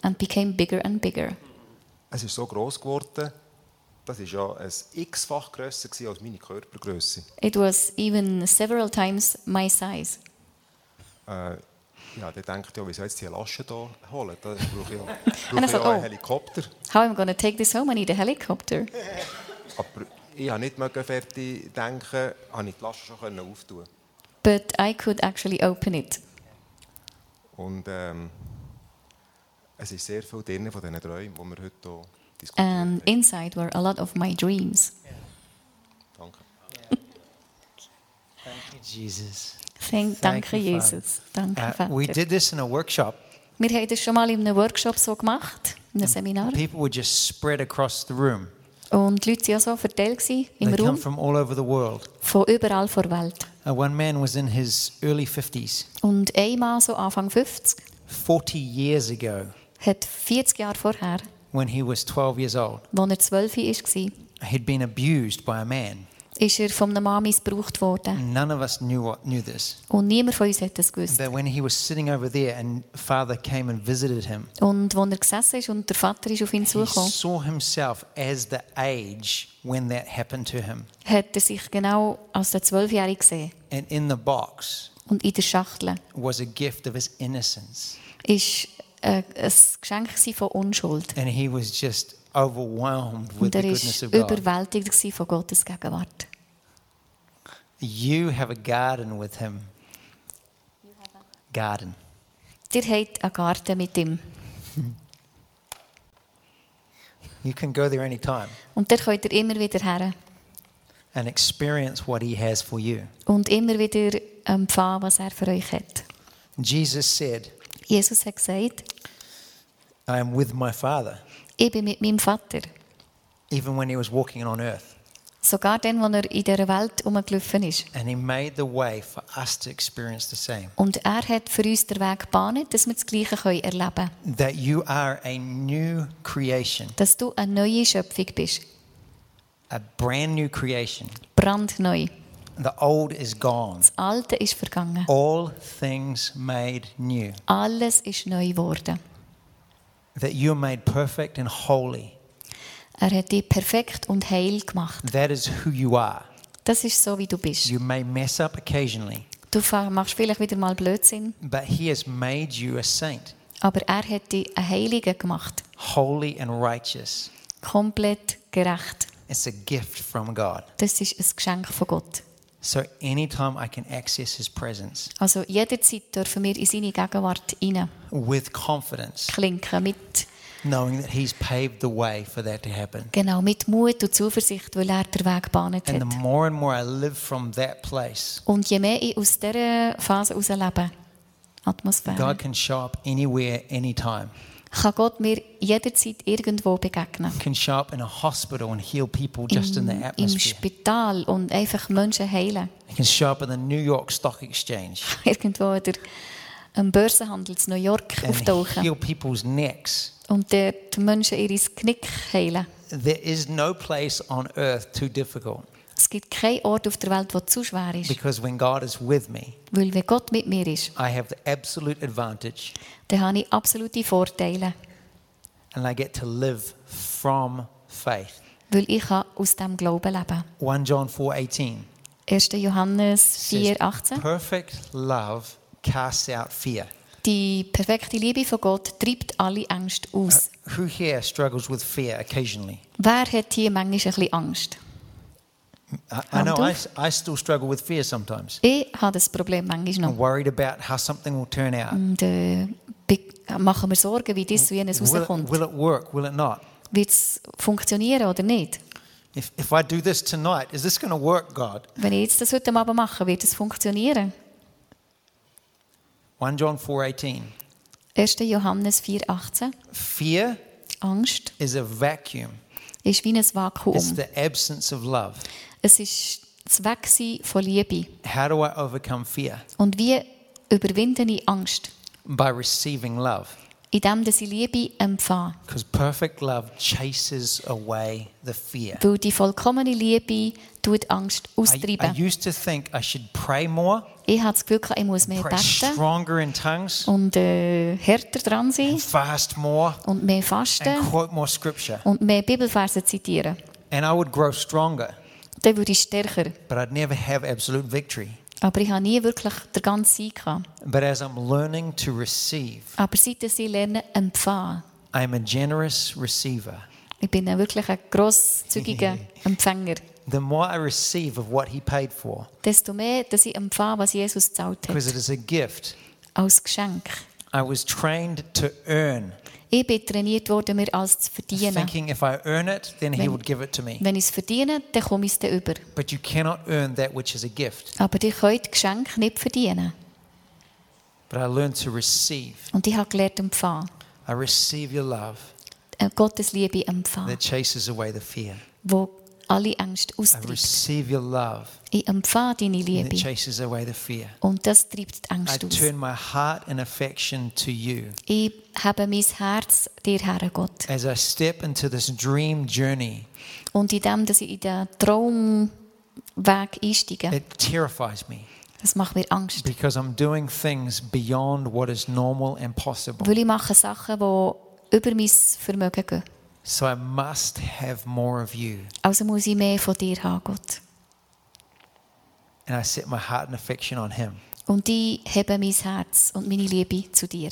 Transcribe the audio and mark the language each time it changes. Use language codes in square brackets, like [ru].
[en] And became bigger and bigger. [de] Es ist so gross geworden. Das ist ja ein x-fach grösser gewesen als meine Körpergröße. [en] It was even several times my size. [de] Ja, dann denkt ja, wie soll ich die Lasche da holen? Da brauche ich ja einen Helikopter. [en] How am I going to take this home? I need a helicopter. [de] Aber ich habe nicht mehr fertig denken, habe ich die Lasche schon können auftun. [en] But I could actually open it. [de] Und es ist sehr viel drin von diesen Träumen, die wir heute hier. [en] And inside were a lot of my dreams. Yeah. [de] Danke. [en] Yeah. Thank you, Jesus. [de] Danke, Jesus. [en] We did this in a workshop. [de] Wir haben das schon mal in einem Workshop so gemacht, in einem Seminar. [en] People were just spread across the room. [de] Und die Leute waren so verteilt im Raum. [en] They come from all over the world. [de] Von überall vor Welt. [en] One man was in his early 50s. [de] Und ein Mann so Anfang 50. [en] 40 years ago. [de] hat 40 Jahre vorher, [en] when he was 12 years old, [de] als er 12 war, [en] had been abused by a man. [de] Ist er von einem Mann missbraucht worden. [en] None of us knew this. [de] Und niemand von uns hat das gewusst. [en] But when he was sitting over there and father came and visited him, [de] und wo er gesessen ist und der Vater ist auf ihn zugekommen, [en] he saw himself as the age when that happened to him. [de] Hat er sich genau als der 12-Jährige gesehen. [en] And in the box, [de] und in der Schachtel, [en] was a gift of his innocence. [de] Ist ein Geschenk von Unschuld. [en] And he was just overwhelmed with the goodness of God. [de] Überwältigt gsi von Gottes Gegenwart. [en] You have a garden with him. Garden. [de] Dir hat a Garten mit ihm. [en] You can go there anytime. [de] Und dort könnt ihr immer wieder her. [en] And experience what he has for you. [de] Und immer wieder empfangen, was er für euch hat. [en] Jesus [de] hat gesagt, [en] I am with my Father. [de] Ich bin mit meinem Vater. [en] Even when he was walking on earth. [de] Sogar dann, als er in dieser Welt rumgelaufen ist. [en] And he made the way for us to experience the same. [de] Und er hat für uns den Weg gebahnt, dass wir das Gleiche können erleben. [en] That you are a new creation. [de] Dass du eine neue Schöpfung bist. [en] A brand new creation. [de] Brandneu. [en] The old is gone. [de] Das Alte ist vergangen. [en] All things made new. [de] Alles ist neu geworden. [en] That you are made perfect and holy. [de] Er hat dich perfekt und heil gemacht. [en] That is who you are. [de] Das ist so, wie du bist. [en] You may mess up occasionally. [de] Du machst vielleicht wieder mal Blödsinn. [en] But he has made you a saint. [de] Aber er hat dich ein Heiliger gemacht. [en] Holy and righteous. [de] Komplett gerecht. [en] It's a gift from God. [de] Das ist ein Geschenk von Gott. [en] So anytime I can access his presence. [de] Also jederzeit dürfen wir in seine Gegenwart rein. [en] With confidence. [de] Klinken mit. [en] Knowing that he's paved the way for that to happen. [de] Genau, mit Mut und Zuversicht, weil er den Weg gebahnt hat. [en] And the more and more I live from that place. [de] Und je mehr ich aus dieser Phase herauslebe, Atmosphäre. [en] God can show up anywhere, anytime. [de] Kann Gott mir jederzeit irgendwo begegnen. [en] Can show up in a hospital and heal people just in the atmosphere. [de] Im Spital und einfach Menschen heilen. [en] Can show up in the New York Stock Exchange. [de] Irgendwo in einem Börsenhandel in New York auftauchen. [en] Heal people's necks. [de] Und dort Menschen ihre Knick heilen. [en] There is no place on earth too difficult. [de] Es gibt keinen Ort auf der Welt, der zu schwer ist. [en] Because when God is with me, [de] weil wenn Gott mit mir ist, [en] I have the absolute advantage, [de] dann habe ich absolute Vorteile. [en] And I get to live from faith. [de] Weil ich aus dem Glauben leben kann. [en] 1 John 4:18. [de] 1. Johannes 4:18. [en] Perfect love casts out fear. [de] Die perfekte Liebe von Gott treibt alle Ängste aus. [en] Who here struggles with fear occasionally? [de] Wer hat hier manchmal ein bisschen Angst? [en] I know I still struggle with fear sometimes. [de] Ich habe das Problem manchmal noch. [en] I'm worried about how something will turn out. [de] Und mache mir Sorgen, wie das und jenes rauskommt. [en] Will it work? Will it not? [de] Wird es funktionieren oder nicht? [en] If I do this tonight, is this going to work, God? [de] Wenn ich jetzt das heute Abend mache, wird es funktionieren? [en] 1 John 4:18. [de] 1. Johannes 4:18. [en] Fear, [de] Angst, [en] is a vacuum. [de] Ist wie ein Vakuum. [en] It's the absence of love. [de] Es ist das Wegsein von Liebe. [en] How do I overcome fear? [de] Und wie überwinde ich Angst? [en] By receiving love. [de] Indem, dass ich Liebe empfange. [en] Because perfect love chases away the fear. [de] Weil die vollkommene Liebe tut Angst austreiben. [en] I used to think I should pray more. [de] Ich habe das Gefühl, ich muss mehr beten. [en] Stronger in tongues. [de] Und härter dran sein. [en] And fast more. [de] Und mehr fasten. [en] And quote more scripture. [de] Und mehr Bibelverse zitieren. [en] And I would grow stronger. [de] Dann würde ich stärker. [en] But I'd never have absolute victory. [de] Aber ich habe nie wirklich den ganzen Sieg gehabt. [en] But as I'm learning to receive, [de] aber seit ich lerne, empfange, [en] I'm a generous receiver. [de] Ich bin wirklich ein grosszügiger Empfänger. [en] The more I receive of what he paid for, [de] desto mehr, dass ich empfange, was Jesus zahlt hat. [en] Because it is a gift. [de] Als Geschenk. [en] I was trained to earn. [de] Ich bin trainiert worden, mir alles zu verdienen. [en] Thinking if I earn it, then he would give it to me. [de] Wenn ich es verdiene, dann komme ich es dir über. [en] But you cannot earn that which is a gift. [de] Aber ich kann das Geschenk nicht verdienen. [en] But I learned to receive. [de] Und ich habe gelernt, empfangen. [en] I receive your love. [de] Gottes Liebe empfangen. [en] That chases away the fear. [de] Wo alle Ängste austreibt. Ich empfange deine Liebe. Und das treibt die Ängste aus. Ich habe mein Herz dir, Herr Gott. [en] As I step into this dream journey, [de] und in dem, dass ich in den Traumweg einsteige, [en] it terrifies me. [de] Das macht mir Angst. [en] Because I'm doing things beyond what is normal and possible. [de] Weil ich mache Sachen, die über mein Vermögen gehen. [en] So I must have more of you. [de] Also muss ich mehr von dir haben, Gott. [en] And I set my heart and affection on him. [de] Und ich hebe mein Herz und meine Liebe zu dir.